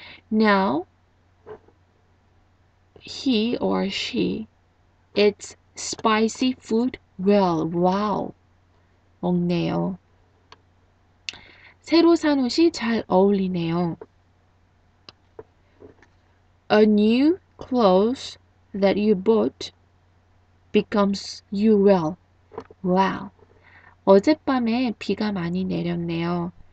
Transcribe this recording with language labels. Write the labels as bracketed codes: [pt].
[en] Now, he or she eats spicy food well. Wow. 먹네요. [ko] 새로 산 옷이 잘 어울리네요. [en] A new clothes that you bought becomes you well. Wow. [ko] 어젯밤에 비가 많이 내렸네요.